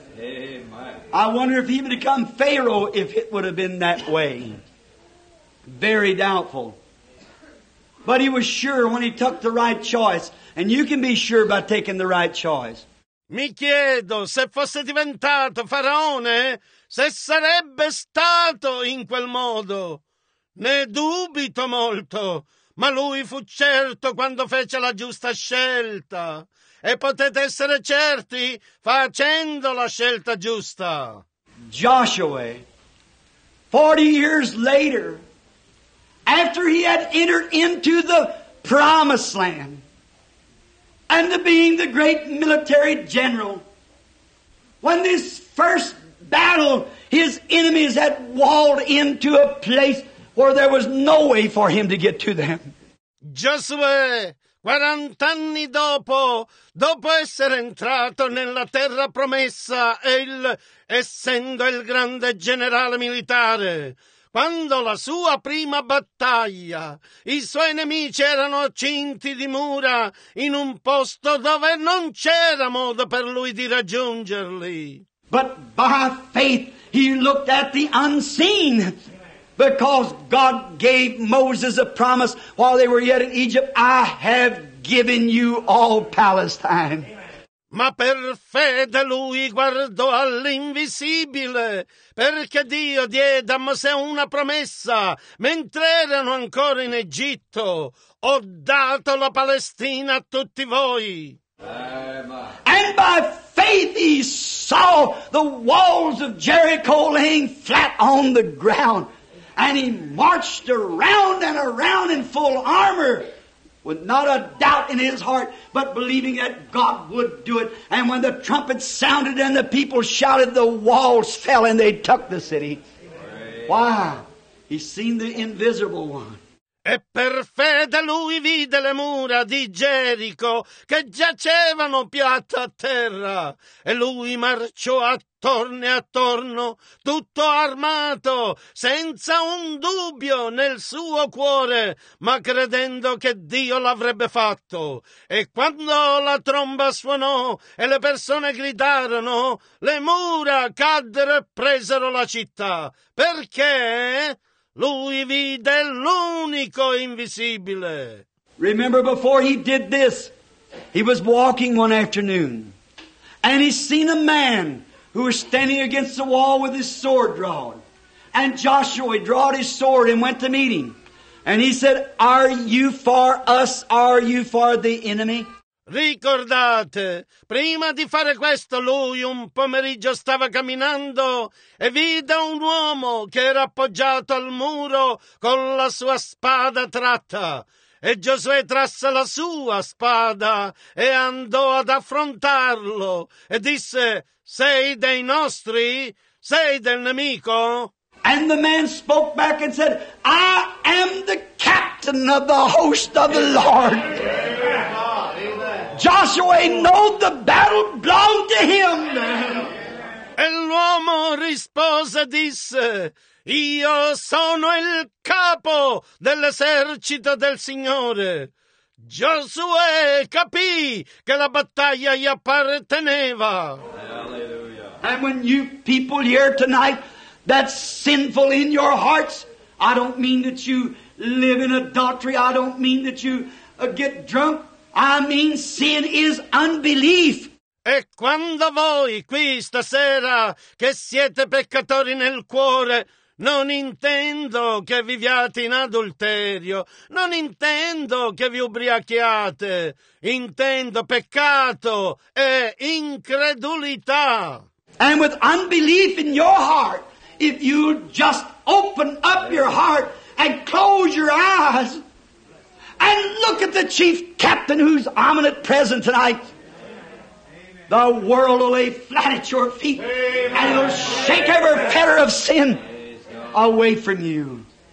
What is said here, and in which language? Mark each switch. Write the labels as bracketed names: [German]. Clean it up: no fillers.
[English] I wonder if he would have become Pharaoh if it would have been that way. Very doubtful. But he was sure when he took the right choice, and you can be sure by taking the right choice. [Italian] Mi chiedo se fosse diventato faraone, se sarebbe stato in quel modo. Ne dubito molto, ma lui fu certo quando fece la giusta scelta. E potete essere certi facendo la scelta giusta. [English] Joshua, 40 years later, after he had entered into the promised land, and being the great military general, when this first battle, his enemies had walled into a place where there was no way for him to get to them. [Italian] Josué, 40 anni dopo essere entrato nella terra promessa, essendo il grande generale militare, quando la sua prima battaglia, i suoi nemici erano cinti di mura in un posto dove non c'era modo per lui di raggiungerli. [English] But by faith he looked at the unseen, because God gave Moses a promise while they were yet in Egypt, I have given you all Palestine. [Italian] Ma per fede lui guardò all'invisibile, perché Dio diede a Mosè una promessa mentre erano ancora in Egitto. Ho dato la Palestina a tutti voi. [English] And by faith he saw the walls of Jericho laying flat on the ground, and he marched around and around in full armor, with not a doubt in his heart, but believing that God would do it. And when the trumpet sounded and the people shouted, the walls fell and they took the city. Why? Wow. He's seen the invisible one. [Italian] E per fede lui vide le mura di Gerico che giacevano piatta a terra. E lui marciò attorno e attorno, tutto armato, senza un dubbio nel suo cuore, ma credendo che Dio l'avrebbe fatto. E quando la tromba suonò e le persone gridarono, le mura caddero e presero la città. Perché? Lui vide l'unico invisibile. [English] Remember, before he did this, he was walking one afternoon, and he seen a man who was standing against the wall with his sword drawn. And Joshua, he drawed his sword and went to meet him. And he said, are you for us? Are you for the enemy? [Italian] Ricordate, prima di fare questo, lui un pomeriggio stava camminando e vide un uomo che era appoggiato al muro con la sua spada tratta. E Giosuè trasse la sua spada e andò ad affrontarlo e disse, sei dei nostri? Sei del nemico? [English] And the man spoke back and said, I am the captain of the host of the Lord. Joshua knew the battle belonged to him. [Italian] E l'uomo rispose, disse, io sono il capo dell'esercito del Signore. Giosuè capì che la battaglia gli apparteneva. [English] And when you people here tonight that's sinful in your hearts, I don't mean that you live in adultery, I don't mean that you get drunk, I mean sin is unbelief. [Italian] E quando voi qui stasera che siete peccatori nel cuore, non intendo che viviate in adulterio, non intendo che vi ubriachiate, intendo peccato e incredulità. [English] And with unbelief in your heart, if you just open up your heart and close your eyes and look at the chief captain who's omnipresent tonight, the world will lay flat at your feet and it'll shake every fetter of sin away from you.